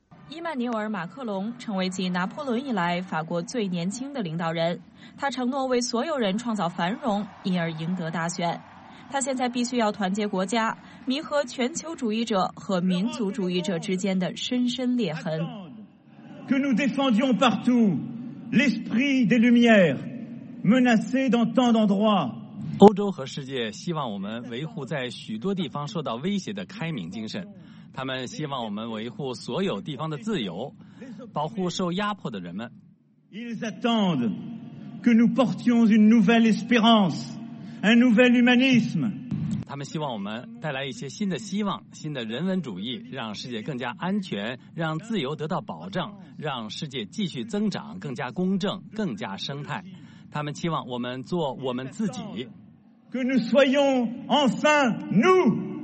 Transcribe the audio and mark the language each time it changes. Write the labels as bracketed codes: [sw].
[zh] 伊曼纽尔·马克龙成为继拿破仑以来法国最年轻的领导人，他承诺为所有人创造繁荣，因而赢得大选。他现在必须要团结国家，弥合全球主义者和民族主义者之间的深深裂痕。 [fr] Que nous défendions partout l'esprit des Lumières menacé dans tant d'endroits。 [zh] 欧洲和世界希望我们维护在许多地方受到威胁的开明精神，他们希望我们维护所有地方的自由，保护受压迫的人们。 [fr] Ils attendent que nous portions une nouvelle espérance。 Un nouvel humanisme. [zh] 他们希望我们带来一些新的希望，新的人文主义，让世界更加安全，让自由得到保障，让世界继续增长，更加公正，更加生态。他们期望我们做我们自己。 [fr] Que nous soyons enfin nous.